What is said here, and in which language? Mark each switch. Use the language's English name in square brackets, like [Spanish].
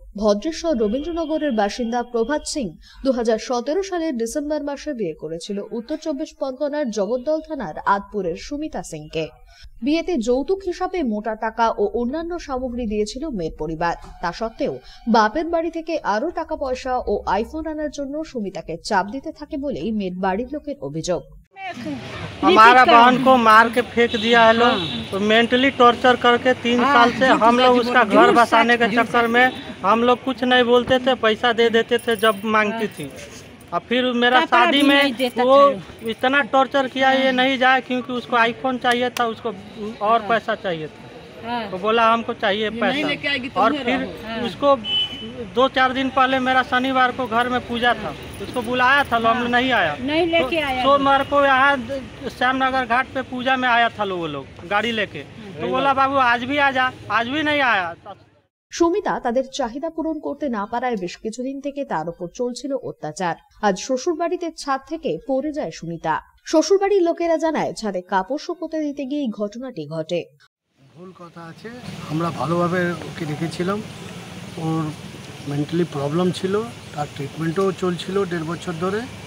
[Bangla] ভদ্রেশ্বর রবীন্দ্রনগরের বাসিন্দা প্রভাত সিং 2017 সালের ডিসেম্বর মাসে বিয়ে করেছিল উত্তর চব্বিশ পরগনার জগদ্দল থানার আদপুরের সুমিতা সিংকে। বিয়েতে যৌতুক হিসাবে মোটা টাকা ও অন্যান্য সামগ্রী দিয়েছিল মেয়ের পরিবার। তা সত্ত্বেও বাপের বাড়ি থেকে আরও টাকা পয়সা ও আইফোন আনার জন্য সুমিতাকে চাপ দিতে থাকে বলেই মেয়ের বাড়ির লোকের অভিযোগ। [Hindi] हमारा बहन को मार के फेंक दिया है लोग, तो मेंटली टॉर्चर करके 3 साल से हम लोग उसका घर बसाने के चक्कर में हम लोग कुछ नहीं बोलते थे, पैसा दे देते थे जब मांगती थी। और फिर मेरा शादी में वो इतना टॉर्चर किया ये नहीं जाए, क्योंकि उसको आईफोन चाहिए था, उसको और पैसा चाहिए था, तो बोला हमको चाहिए पैसा। और फिर उसको 2-4 दिन पहले मेरा शनिवार को घर में पूजा था, उसको बुलाया था, लोग नहीं आया, नहीं लेके आया। सोमवार को यहाँ श्यामनगर घाट पे पूजा में आया था लोग गाड़ी लेके, तो बोला बाबू आज भी आ जा, आज भी नहीं आया। [Bangla] সুমিতা তাদের চাহিদা পূরণ করতে না পারায় বেশ কিছুদিন থেকে তার উপর চলছিল অত্যাচার। আজ শ্বশুরবাড়িতে ছাদ থেকে পড়ে যায় সুমিতা। শ্বশুরবাড়ির লোকেরা জানায় ছাদে কাপড় শুকোতে দিতে গিয়ে ঘটনাটি ঘটে। ভুল কথা আছে, আমরা ভালোভাবে ওকে রেখেছিলাম, ওর মেন্টালি প্রবলেম ছিল, তার ট্রিটমেন্টও চলছিল 1.5 বছর ধরে।